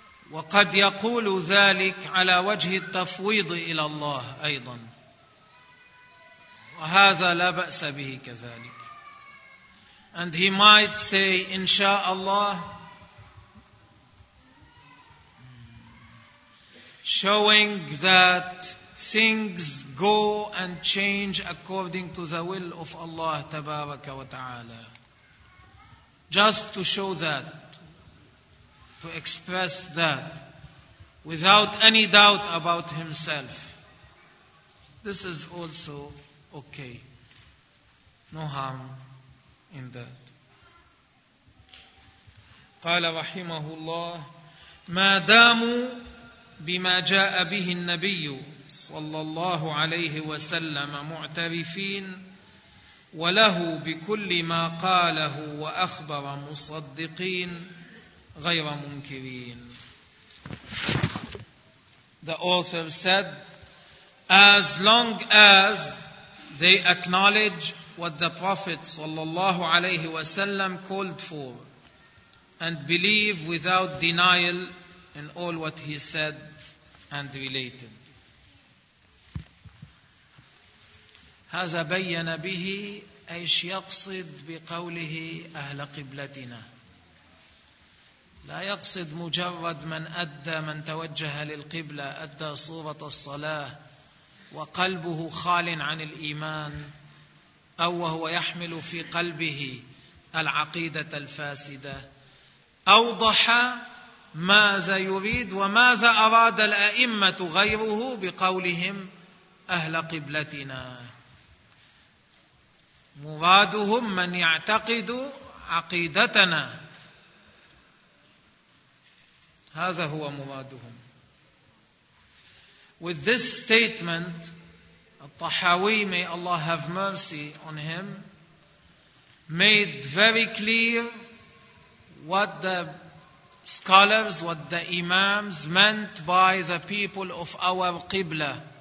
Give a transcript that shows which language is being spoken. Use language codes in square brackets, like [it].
[ar] وقد يقول ذلك على وجه التفويض إلى الله أيضا وهذا لا بأس به كذلك. [en] And he might say [ar] إن شاء الله, [en] showing that things go and change according to the will of Allah [ar] تبارك وتعالى, [en] just to show that, to express that without any doubt about himself. This is also okay. No harm in that. [ar] قال رحمه الله ما داموا بما جاء به النبي صلى الله عليه وسلم معترفين وله بكل ما قاله وأخبر مصدقين غير منكرين. [en] The author said, as long as they acknowledge what the Prophet [ar] sallallahu alayhi wasallam [en] called for and believe without denial in all what he said and related. [ar] هذا بين به ايش يقصد بقوله اهل قبلتنا. لا يقصد مجرد من أدى, من توجه للقبلة, أدى صورة الصلاة وقلبه خال عن الإيمان أو وهو يحمل في قلبه العقيدة الفاسدة. أوضح ماذا يريد وماذا أراد الأئمة غيره بقولهم أهل قبلتنا. مرادهم من يعتقد عقيدتنا, هذا هو مرادهم. [en] With this statement, الطحاوي, may Allah have mercy on him, made very clear what the scholars, what the imams meant by the people of our Qibla.